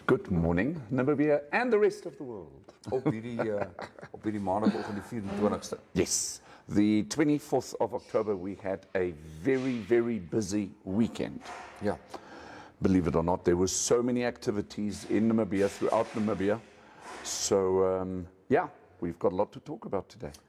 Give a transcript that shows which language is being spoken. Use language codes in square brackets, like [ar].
[en] Good morning Namibia and the rest of the world. [af] op hierdie maandagoggend die 24ste. [en] Yes. The 24th of October we had a very very busy weekend. Yeah. Believe it or not, there were so many activities in Namibia, throughout Namibia. So yeah, we've got a lot to talk about today.